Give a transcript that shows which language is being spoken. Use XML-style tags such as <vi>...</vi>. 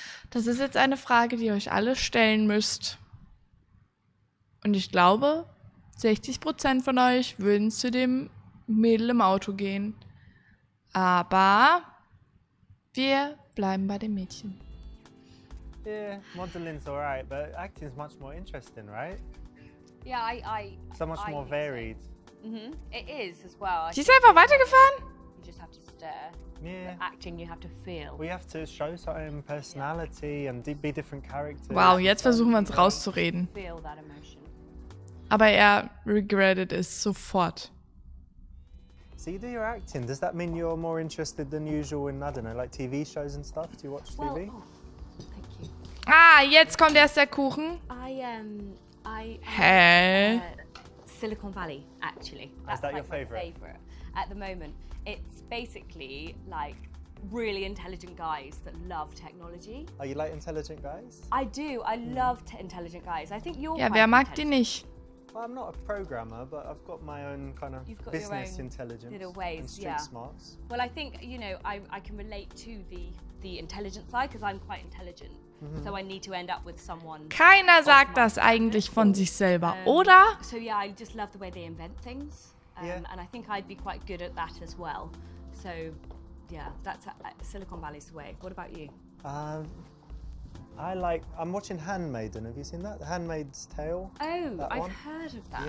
<de>Das ist jetzt eine Frage, die ihr euch alle stellen müsst. Und ich glaube, 60% von euch würden zu dem Mädel im Auto gehen. Aber... Wir bleiben bei dem Mädchen.</de> <en>Yeah, modeling's all right, but acting's much more interesting, right? Yeah, So much more varied. Mhm. It is as well.</en> <de>Sie ist einfach weitergefahren?</de> <en>You just have to stare. Yeah. But acting, you have to feel. We have to show certain personality and be different characters.</en> <de>Wow, jetzt versuchen wir uns rauszureden.</de> <en>Feel that emotion.</en> <de>Aber er regretted es sofort.</de> <en>So you do your acting, does that mean you're more interested than usual in, I don't know, like TV shows and stuff? Do you watch TV? Well, oh, thank you.</en> <de>Ah, jetzt kommt erst der Kuchen.</de> <en>I Hä? Silicon Valley, actually. That's Is that your favourite? At the moment, it's basically like really intelligent guys that love technology. Are you like intelligent guys? I do. I love intelligent guys. I think you're.</en> <de>Ja, wer mag die nicht?</de> <en>Well, I'm not a programmer, but I've got my own kind of business intelligence ways, and street smarts. Well, I think, you know, I can relate to the intelligent side because I'm quite intelligent. So I need to end up with someone.</en> <de>Keiner sagt das eigentlich von sich selber, oder?</de> <en>So yeah, I just love the way they invent things. And I think I'd be quite good at that as well. So yeah, that's Silicon Valley's way. What about you? I'm watching Handmaiden. Have you seen that? The Handmaid's Tale? Oh, I've heard of that.</en>